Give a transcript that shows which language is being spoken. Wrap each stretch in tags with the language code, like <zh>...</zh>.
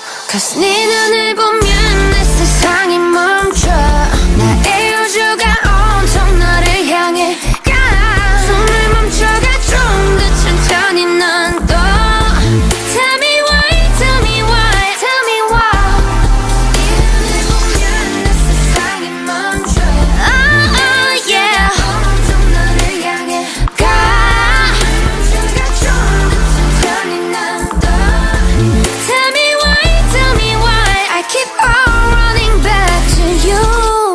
<ko>Cause 네 눈을 보면 내 세상이 멈춰. 나의 우주가 온통 너를 향해 가. 숨을 멈춰가 좀 더 천천히 넌 또.</ko> <en>Tell me why, tell me why, tell me why.</en> <ko>네 눈을 보면 내 세상이 멈춰. Oh, oh, yeah. 내 우주가 온통 너를 향해 가. 멈춰가 좀 더 천천히 넌 또.</ko> <en>Tell me why, tell me why. I keep on running back to you.</en>